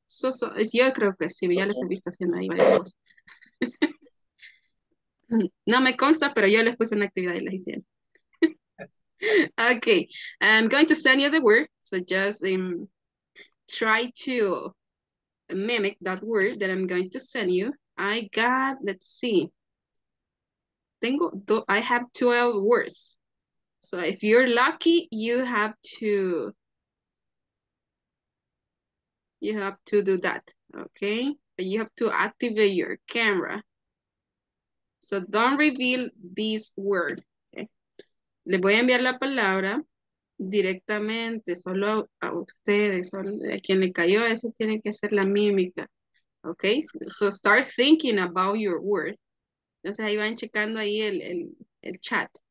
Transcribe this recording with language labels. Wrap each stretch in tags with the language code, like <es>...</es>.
<es>So yo creo que sí, ya les he visto haciendo ahí varias cosas. No me consta, pero yo les puse una actividad y les hicieron.</es> <en>Okay, I'm going to send you the word, so just try to mimic that word that I'm going to send you. I got, let's see, I have 12 words, so if you're lucky, you have to do that, okay? But you have to activate your camera, so don't reveal this word.</en> <es>Les voy a enviar la palabra directamente, solo a ustedes, solo a quien le cayó, ese tiene que hacer la mímica.</es> <en>Ok, so start thinking about your word.</en> <es>Entonces ahí van checando ahí el chat.</es>